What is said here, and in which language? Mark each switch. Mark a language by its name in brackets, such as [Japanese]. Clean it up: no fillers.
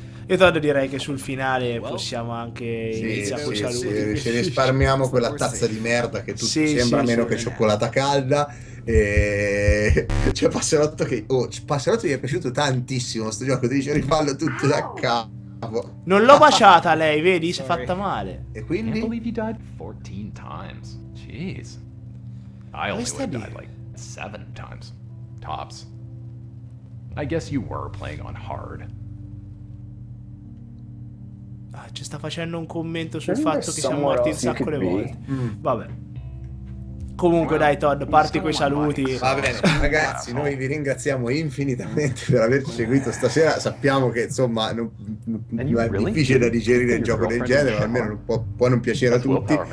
[Italian] E Todd, direi che sul finale possiamo anche iniziare con saluti. Sì, ce ne risparmiamo quella tazza di merda che tutti sembra meno che cioccolata calda. E... Cioè, Passerotto che... Oh, Passerotto mi è piaciuto tantissimo sto gioco. Dice, rifallo tutto da capo. Non l'ho baciata lei, vedi? Si è fatta male. E quindi? [English] Can't believe you died 14 times. Jeez. I only would die like 7 times. tops. I guess you were playing on hard. [Italian] Ci sta facendo un commento sul fatto che siamo morti un sacco di volte. Vabbè. Comunque, dai, Todd, parti quei saluti. Va bene, ragazzi, noi vi ringraziamo infinitamente per averci seguito stasera. Sappiamo che, insomma, non è difficile da digerire un gioco del genere, ma almeno può non piacere a tutti.